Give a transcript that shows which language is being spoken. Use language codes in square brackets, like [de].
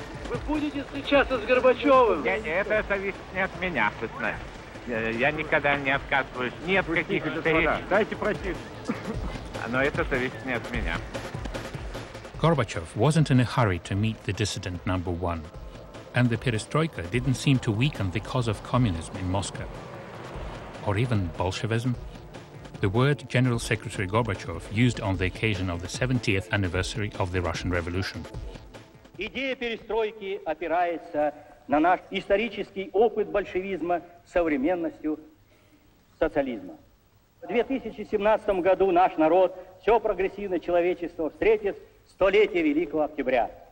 [ru] Вы будете встречаться с Горбачевым? Это зависит не от меня, вы знаете. Я никогда не отказываюсь. Нет каких встреч. Дайте пройти. Но это зависит не от меня. [en] Gorbachev wasn't in a hurry to meet the dissident number one, and the perestroika didn't seem to weaken the cause of communism in Moscow, or even Bolshevism. The word General Secretary Gorbachev used on the occasion of the 70th anniversary of the Russian Revolution. [ru] Идея перестройки опирается на наш исторический опыт большевизма с современностью социализма. В 2017 году наш народ, все прогрессивное человечество встретит столетие Великого Октября.